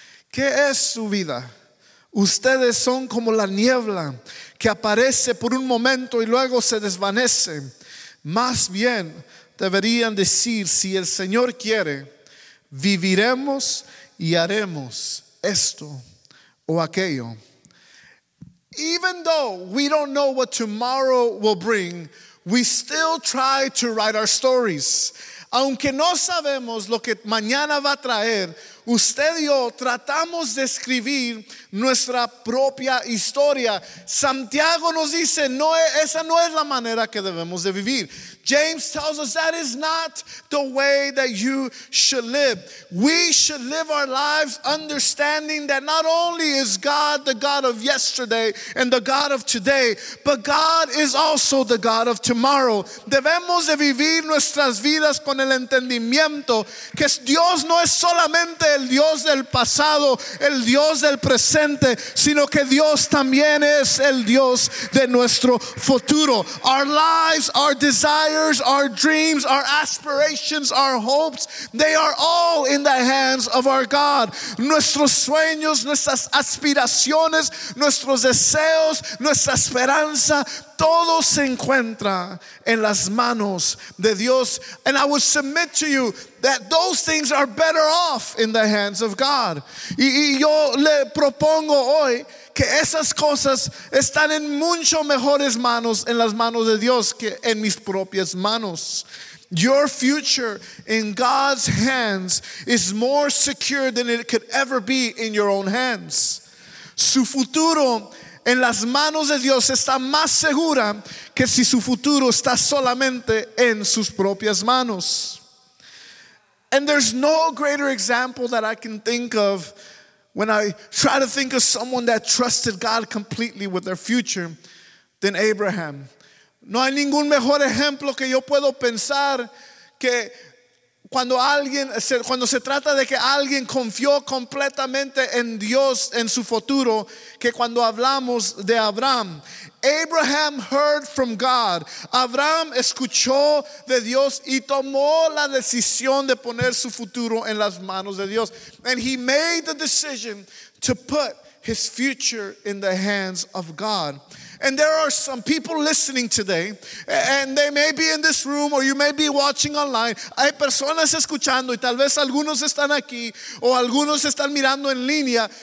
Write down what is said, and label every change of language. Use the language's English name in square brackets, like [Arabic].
[Spanish] ¿Qué es su vida? Ustedes son como la niebla que aparece por un momento y luego se desvanece. Más bien deberían decir, si el Señor quiere, viviremos y haremos esto o aquello. [English] Even though we don't know what tomorrow will bring, we still try to write our stories. [Spanish] Aunque no sabemos lo que mañana va a traer, usted y yo tratamos de escribir nuestra propia historia. Santiago nos dice, no, esa no es la manera que debemos de vivir. [English] James tells us that is not the way that you should live. We should live our lives understanding that not only is God the God of yesterday and the God of today, but God is also the God of tomorrow. [Spanish] Debemos de vivir nuestras vidas con el entendimiento que Dios no es solamente el el Dios del pasado, el Dios del presente, sino que Dios también es el Dios de nuestro futuro. [English] Our lives, our desires, our dreams, our aspirations, our hopes, they are all in the hands of our God. [Spanish] Nuestros sueños, nuestras aspiraciones, nuestros deseos, nuestra esperanza, todo se encuentra en las manos de Dios. [English] And I would submit to you that those things are better off in the hands of God. [Spanish] Y yo le propongo hoy que esas cosas están en mucho mejores manos, en las manos de Dios, que en mis propias manos. [English] Your future in God's hands is more secure than it could ever be in your own hands. [Spanish] Su futuro en las manos de Dios está más segura que si su futuro está solamente en sus propias manos. [English] And there's no greater example that I can think of when I try to think of someone that trusted God completely with their future than Abraham. [Spanish] No hay ningún mejor ejemplo que yo puedo pensar que cuando se trata de que alguien confió completamente en Dios en su futuro, que cuando hablamos de Abraham. [English] Abraham heard from God. [Spanish] Abraham escuchó de Dios y tomó la decisión de poner su futuro en las manos de Dios. [English] And he made the decision to put his future in the hands of God. And there are some people listening today, and they may be in this room, or you may be watching online. [Spanish] Hay personas escuchando, y tal vez algunos están aquí, o algunos están mirando en línea.